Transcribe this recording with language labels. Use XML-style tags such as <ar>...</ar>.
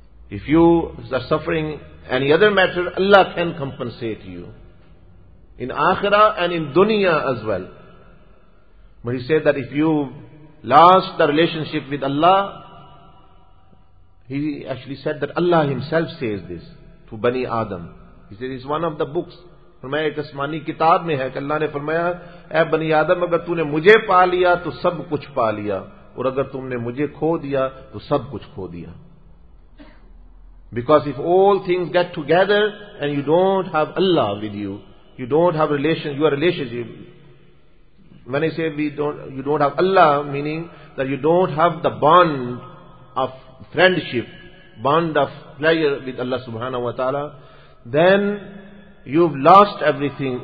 <en>If you are suffering any other matter, Allah can compensate you. In akhirah and in dunya as well. But He said that if you lost the relationship with Allah, He actually said that Allah Himself says this to Bani Adam. He said, it's one of the books.</en> <ur>فرمایا ایک اسمانی کتاب میں ہے کہ اللہ نے فرمایا اے بنی آدم اگر تُو نے مجھے پا لیا تو سب کچھ پا لیا اور اگر تُم نے مجھے کھو دیا تو سب کچھ کھو دیا.</ur> <en>Because if all things get together and you don't have Allah with you, you don't have relation, your relationship. When I say you don't have Allah, meaning that you don't have the bond of friendship, bond of pleasure with Allah subhanahu wa ta'ala, then you've lost everything.</en>